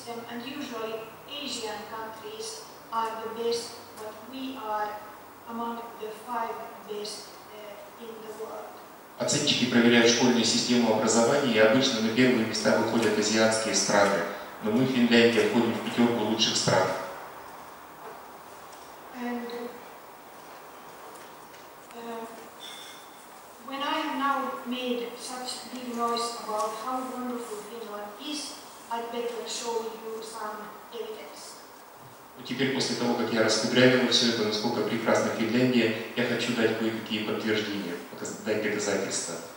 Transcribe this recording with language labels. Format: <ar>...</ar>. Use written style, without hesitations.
<en>And usually Asian countries are the best, but we are among the five best in the world.</en> <ru>Оценщики проверяют школьную систему образования, и обычно на первые места выходят азиатские страны. Но мы в Финляндии входим в пятерку лучших стран.</ru> <en>And when I have now made such big noise about how wonderful Finland is, I'd better show you some evidence.</en> <ru>Теперь после того, как я раскупляю все это, насколько прекрасна Финляндия, я хочу дать кое-какие подтверждения, дать доказательства.</ru>